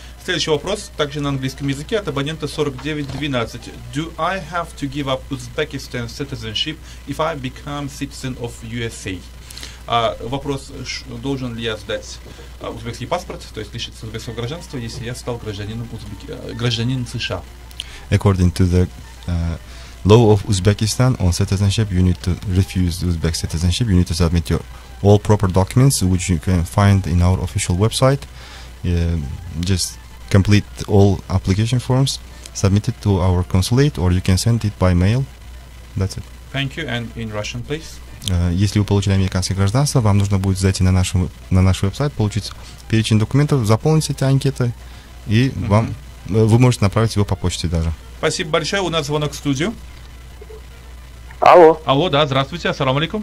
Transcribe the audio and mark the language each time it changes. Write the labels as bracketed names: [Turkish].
[Russian] Следующий вопрос, также на английском языке, от абонента 4912. [English] Do I have to give up Uzbekistan citizenship if I become citizen of USA? [Russian] Вопрос, должен ли я сдать узбекский паспорт, то есть лишиться узбекского гражданства, если я стал гражданином США. [English] According to the law of Uzbekistan on citizenship, you need to refuse Uzbek citizenship, you need to submit your all proper documents, which you can find in our official website. Just complete all application forms, submit it to our consulate, or you can send it by mail. That's it. Thank you, and in Russian, please. [Russian] Если вы получили американское гражданство, вам нужно будет зайти на наш веб-сайт, получить перечень документов, заполнить эти анкеты, и вам вы можете направить его по почте даже. Спасибо большое. У нас звонок в студию. Алло. Алло, да, здравствуйте. Ассаламу алейкум.